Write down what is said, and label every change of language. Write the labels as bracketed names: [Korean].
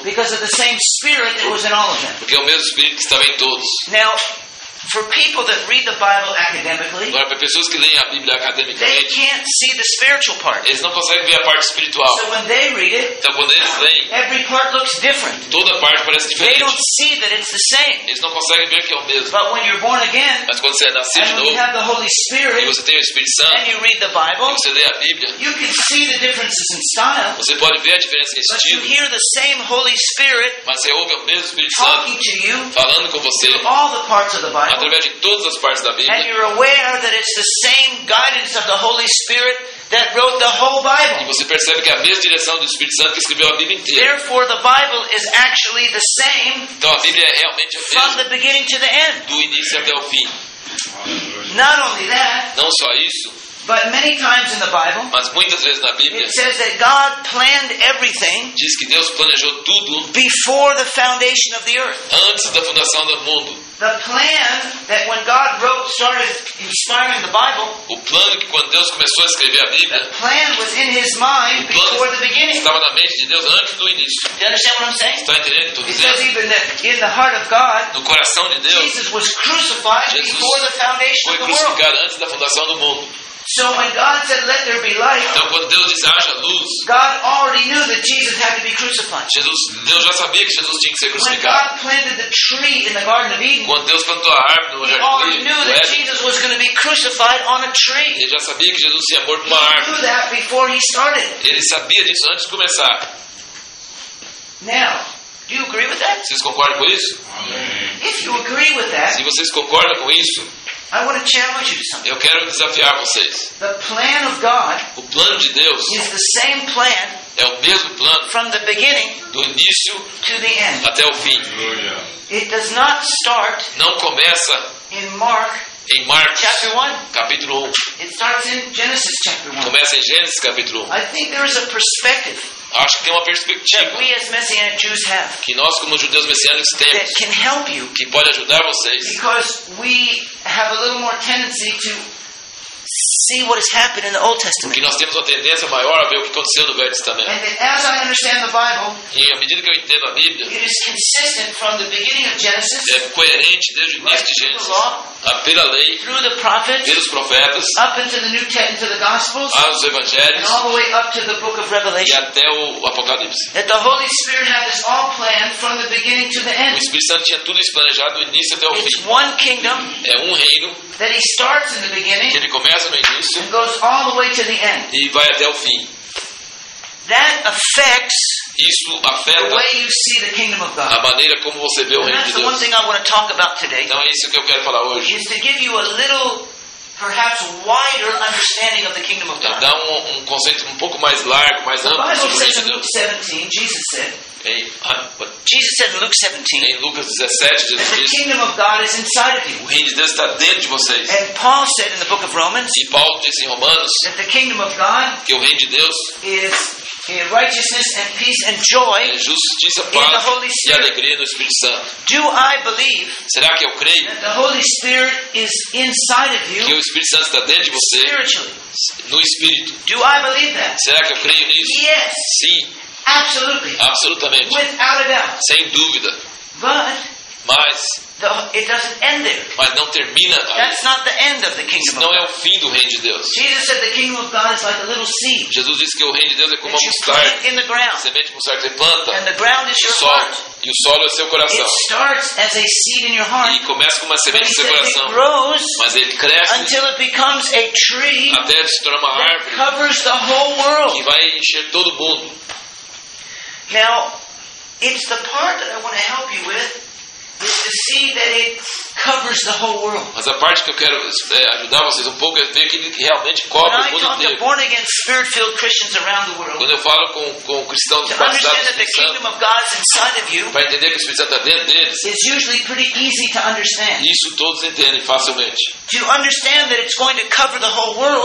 [English] because of the same spirit that was in all of them. [Portuguese] Porque é o mesmo espírito que estava em todos. [English] Now, For people that read the Bible academically, [Portuguese] agora, para pessoas que leem a Bíblia academicamente, [English] they can't see the spiritual part. [Portuguese] Eles não conseguem ver a parte espiritual. [English] So when they read it, [Portuguese] então, quando eles leem, [English] every part looks different. [Portuguese] Toda parte parece diferente. [English] They don't see that it's the same. [Portuguese] Eles não conseguem ver que é o mesmo. [English] But when you're born again, [Portuguese] mas quando você é nascido de novo, [English] you have the Holy Spirit, [Portuguese] e você tem o Espírito Santo, [English] and you read the Bible, [Portuguese] e você lê a Bíblia, [English] you can see the differences in style, [Portuguese] você pode ver a diferença em estilo, [English] but you hear the same Holy Spirit, [Portuguese] mas você ouve o mesmo Espírito [English] talking [Portuguese] Santo [English] to you, [Portuguese] falando com você [English] through all the parts of the Bible, [Portuguese] através de todas as partes da Bíblia. [English] And you're aware that it's the same guidance of the Holy Spirit that wrote the whole Bible. [Portuguese] E você percebe que é a mesma direção do Espírito Santo que escreveu a Bíblia inteira. [English] Therefore, the Bible is actually the same. [Portuguese] Então a Bíblia é realmente a mesma. [English] From the beginning to the end. [Portuguese] Do início até o fim. [English] Not only that. [Portuguese] Não só isso. [English] But many times in the Bible. [Portuguese] Mas muitas vezes na Bíblia. [English] It says that God planned everything. [Portuguese] Diz que Deus planejou tudo. [English] Before the foundation of the earth. [Portuguese] Antes da fundação do mundo. [English] The plan that when God wrote started inspiring the Bible. [Portuguese] O plano que quando Deus começou a escrever a Bíblia. [English] The plan was in His mind before the beginning. [Portuguese] Estava na mente de Deus antes do início. [English] Do you understand what I'm saying? [Portuguese] Está entendendo tudo? [English] It says even that in the heart of God. [Portuguese] No coração de Deus. [English] Jesus was crucified before the foundation of the world. [Portuguese] Foi crucificado antes da fundação do mundo. [English] So when God said, "Let there be light," [Portuguese] então, quando Deus disse, haja luz, [English] God already knew that Jesus had to be crucified. [Portuguese] Jesus, Deus já sabia que Jesus tinha que ser crucificado. [English] When God planted the tree in the Garden of Eden, [Portuguese] quando Deus plantou a árvore no jardim, [English] He already knew that Jesus was going to be crucified on a tree. [Portuguese] Ele já sabia que Jesus ia morto numa árvore. [English] He knew that before He started. [Portuguese] Ele sabia disso antes de começar. [English] Now, do you agree with that? [Portuguese] Vocês concordam com isso? [English] If you agree with that, [Portuguese] se vocês concordam com isso, [English] I want to challenge you to something. [Portuguese] Eu quero desafiar vocês. [English] The plan of God, [Portuguese] o plano de Deus, [English] is the same plan, [Portuguese] é o mesmo plano, [English] from the beginning, [Portuguese] do início, [English] to the end, [Portuguese] até o fim. [English] It does not start, [Portuguese] não começa, [English] in Mark, [Portuguese] em Marcos, [English] chapter 1, [Portuguese] capítulo 1. [English] It starts in Genesis chapter 1. [Portuguese] Começa em Gênesis capítulo 1. [English] I think there is a perspective. [Portuguese] Acho que tem uma perspectiva que nós, como judeus messiânicos, temos que pode ajudar vocês, [English] because we have a little more tendency to see what has happened in the Old Testament. [Portuguese] Porque nós temos uma tendência maior a ver o que aconteceu no Velho Testamento. [English] And as I understand the Bible, [Portuguese] e à medida que eu entendo a Bíblia, [English] it is consistent from the beginning of Genesis, [Portuguese] é coerente desde o início de Gênesis, [English] the law, [Portuguese] pela lei, [English] through the prophets, [Portuguese] pelos profetas, [English] up into the New Testament, into the Gospels, [Portuguese] aos Evangelhos, [English] and all the way up to the book of Revelation, [Portuguese] e até o Apocalipse. [English] That the Holy Spirit had this all planned from the beginning to the end. [Portuguese] O Espírito Santo tinha tudo isso planejado do início até o fim. [English] It's one kingdom, [Portuguese] é um reino, [English] that He starts in the beginning, [Portuguese] que ele começa no início, [English] and goes all the way to the end. [Portuguese] E vai até o fim. [English] That affects, [Portuguese] isso afeta, [English] the way you see the kingdom of God. [Portuguese] A maneira como você vê o reino de Deus. [English] That's one thing I want to talk about today. [Portuguese] Então é isso que eu quero falar hoje. [English] Is to give you a little, perhaps wider understanding of the kingdom of God. [Portuguese] Dá um conceito um pouco mais largo, mais amplo. [English] The Bible says in Luke 17, Jesus said. Jesus said in Luke 17, [Portuguese] em Lucas 17, Jesus [English] that the kingdom of God is inside of you. [Portuguese] O reino de Deus está dentro de vocês. [English] And Paul said in the book of Romans, [Portuguese] e Paulo disse em Romanos, [English] that the kingdom of God, [Portuguese] que o reino de Deus, [English] is in righteousness and peace and joy, [Portuguese] é justiça, paz, [English] in the Holy Spirit, [Portuguese] e alegria no Espírito Santo. [English] Do I believe, [Portuguese] será que eu creio, [English] that the Holy Spirit is inside of you, [Portuguese] que o Espírito Santo está dentro de você, [English] spiritually, [Portuguese] no Espírito. [English] Do I believe that, [Portuguese] será que eu creio nisso? [English] Yes. [Portuguese] Sim. [English] Absolutely. [Portuguese] Absolutamente. [English] Without a doubt. [Portuguese] Sem dúvida. [English] But, [Portuguese] mas, [English] the, it doesn't end there. [Portuguese] Mas não termina aí. [English] That's not the end of the kingdom. [Portuguese] Não é o fim do reino de Deus. [English] Jesus said the kingdom of God is like a little seed. [Portuguese] Jesus disse que o reino de Deus é como uma mostarda. [English] In the ground. [Portuguese] Semente mostarda que você planta. [English] And the ground is your heart. [Portuguese] E o solo é seu coração. [English] It starts as a seed in your heart. [Portuguese] E começa como uma semente no seu coração. [English] It grows, [Portuguese] mas ele cresce. [English] Until it becomes a tree. [Portuguese] Até ele se tornar uma árvore. [English] That covers the whole world. [Portuguese] E vai encher todo o mundo. [English] Now, it's the part that I want to help you with is to see that it covers the whole world. [Portuguese] Mas a parte que eu quero ajudar vocês um pouco é ver que ele realmente cobre o mundo inteiro. [English] Born again, spirit-filled Christians around the world. [Portuguese] Quando eu falo com cristãos [English] to understand that the kingdom of God is inside of you, [Portuguese] para entender que o Espírito Santo está dentro deles, [English] is usually pretty easy to understand. [Portuguese] Isso todos entendem facilmente. [English] To understand that it's going to cover the whole world,